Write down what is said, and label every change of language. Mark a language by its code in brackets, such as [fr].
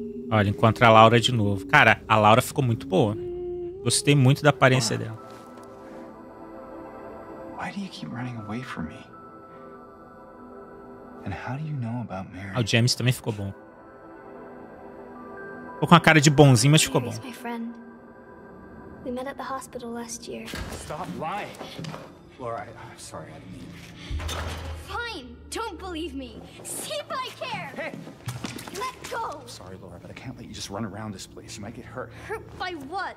[pt] Olha, encontra a Laura de novo. Cara, a Laura ficou muito boa. Gostei muito da aparência dela. [en] Why do you keep running away from me? And how do you know about Mary? [pt] Ah, o James também ficou bom. Ficou com a cara de bonzinho, mas ficou bom. [en] Mary's my friend. We met at the hospital last year. Stop lying. Laura, I'm sorry, I didn't mean. Fine. Don't believe me. See if I care. Hey. Let go. I'm sorry, Laura, but I can't let you just run around this place. You might get hurt. Hurt by what?